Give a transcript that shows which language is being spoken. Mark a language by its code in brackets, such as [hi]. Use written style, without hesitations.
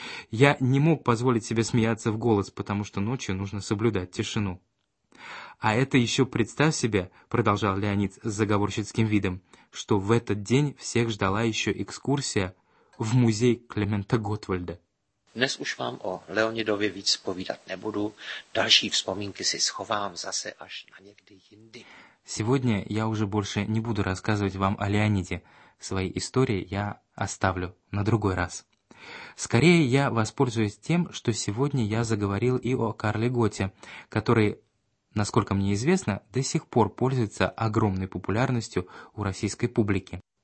[ru] Я не мог позволить себе смеяться в голос, потому что ночью нужно соблюдать тишину». «А это еще представь себе», — продолжал Леонид с заговорщицким видом, «что в этот день всех ждала еще экскурсия в музей Клемента Готтвальда». [cs] Dnes už vám o Leonidovi víc povídat nebudu. Další vzpomínky si schovám zase až na někdy jindy. [ru] Сегодня я уже больше не буду рассказывать вам о Леониде. Свои истории я оставлю на другой раз. Скорее, я воспользуюсь тем, что сегодня я заговорил и о Карле Готте, который, насколько мне известно, до сих пор пользуется огромной популярностью у российской публики.